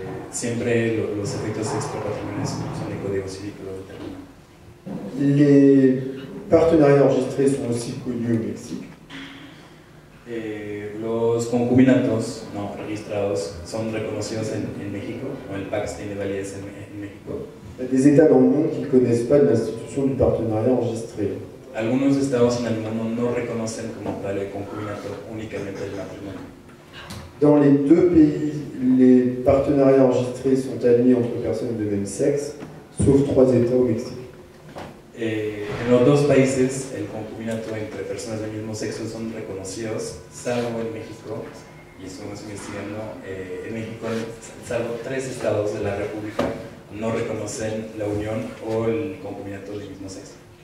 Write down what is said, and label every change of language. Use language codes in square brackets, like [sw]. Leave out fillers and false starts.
[es] Siempre los efectos extrapatrimoniales son el código civil que lo determina. [fr] Les partenariats enregistrés sont aussi connus au Mexique. [es] Los concubinatos no registrados son reconocidos en México, o el PACS tiene validez en México. [fr] Des états dans le monde qui ne connaissent pas l'institution du partenariat enregistré. [es] Algunos estados en el mundo no reconocen como tal el concubinato, únicamente el matrimonio. [fr] Dans les deux pays, les partenariats enregistrés sont admis entre personnes de même sexe, sauf trois États au Mexique. [es] En los dos países, el concubinato entre personas del mismo sexo son reconocidos, salvo en México, y estamos investigando, en México, salvo tres estados de la República, no reconocen la unión o el concubinato del mismo sexo.